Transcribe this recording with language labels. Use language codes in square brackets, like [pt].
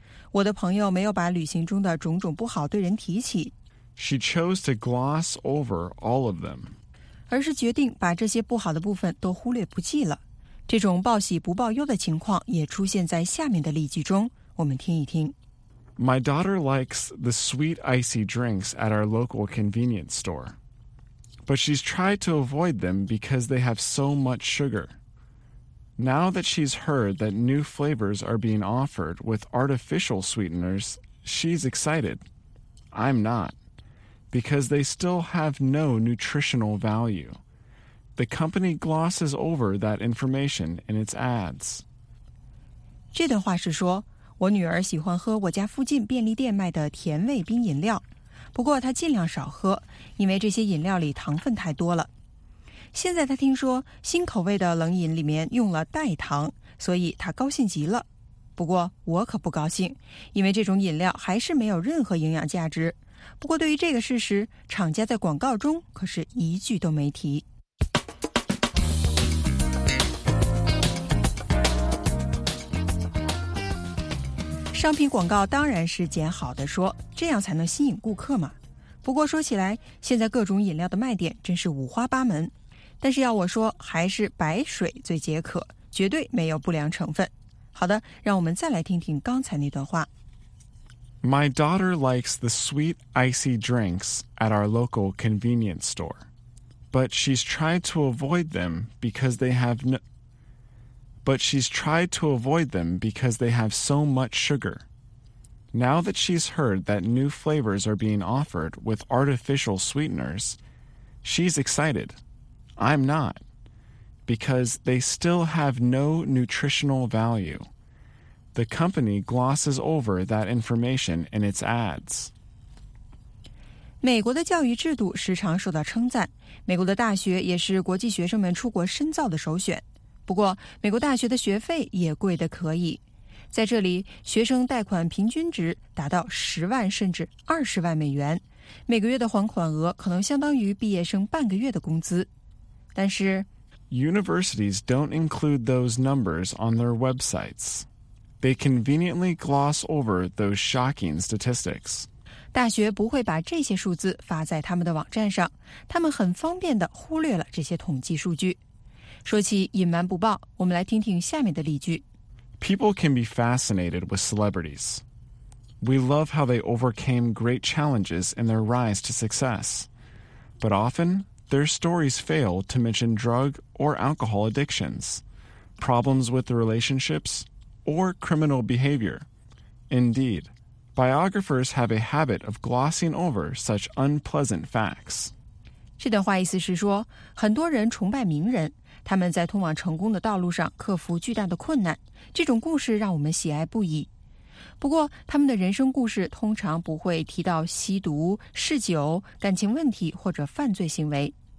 [zh] 我的朋友没有把旅行中的种种不好对人提起。 [en] She chose to gloss over all of them. [zh] 而是决定把这些不好的部分都忽略不计了。这种报喜不报忧的情况也出现在下面的例句中，我们听一听。 [en] My daughter likes the sweet icy drinks at our local convenience store. But she's tried to avoid them because they have so much sugar. Now that she's heard that new flavors are being offered with artificial sweeteners, she's excited. I'm not. Because they still have no nutritional value. The company glosses over that information in its ads. [zh] 这段话是说，我女儿喜欢喝我家附近便利店卖的甜味冰饮料，不过她尽量少喝，因为这些饮料里糖分太多了。现在她听说新口味的冷饮里面用了代糖，所以她高兴极了。不过我可不高兴，因为这种饮料还是没有任何营养价值。不过对于这个事实，厂家在广告中可是一句都没提。商品广告当然是捡好的说，这样才能吸引顾客嘛。不过说起来，现在各种饮料的卖点真是五花八门，但是要我说，还是白水最解渴，绝对没有不良成分。好的，让我们再来听听刚才那段话。 [en] My daughter likes the sweet icy drinks at our local convenience store, but she's tried to avoid them because they have no. But she's tried to avoid them because they have so much sugar. Now that she's heard that new flavors are being offered with artificial sweeteners, she's excited. I'm not, because they still have no nutritional value. The company glosses over that information in its ads. [zh] 美国的教育制度时常受到称赞，美国的大学也是国际学生们出国深造的首选。不过，美国大学的学费也贵得可以。在这里，学生贷款平均值达到10万甚至20万美元，每个月的还款额可能相当于毕业生半个月的工资。但是 [en] ，Universities don't include those numbers on their websites. They conveniently gloss over those shocking statistics. [zh] 大学不会把这些数字发在他们的网站上，他们很方便地忽略了这些统计数据。说起隐瞒不报，我们来听听下面的例句。 [en] People can be fascinated with celebrities. We love how they overcame great challenges in their rise to success. But often, their stories fail to mention drug or alcohol addictions, problems with relationships,or criminal behavior. Indeed, biographers have a habit of glossing over such unpleasant facts. [zh] 这段话意思是说，很多人崇拜名人，他们在通往成功的道路上克服巨大的困难，这种故事让我们喜爱不已。不过，他们的人生故事通常不会提到吸毒、嗜酒、感情问题或者犯罪行为。